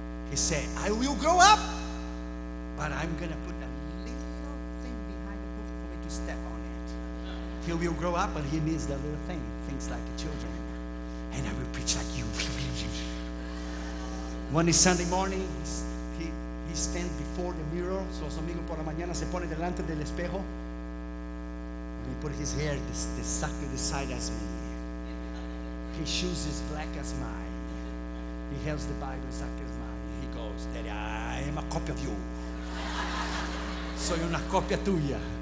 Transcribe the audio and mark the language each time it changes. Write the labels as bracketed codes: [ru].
[en] He said, I will grow up, but I'm going to put a little thing behind the book for me to step on it. He will grow up, but he needs that little thing, thinks like a children. And I will preach like you. One Sunday morning, he stands before the mirror. [es] So, los domingos por la mañana se pone delante del espejo. [en] And he put his hair the exactly the side as me. His shoes is black as mine. He has the Bible exactly as mine. He goes, Daddy, I am a copy of you. [es] Soy una copia tuya.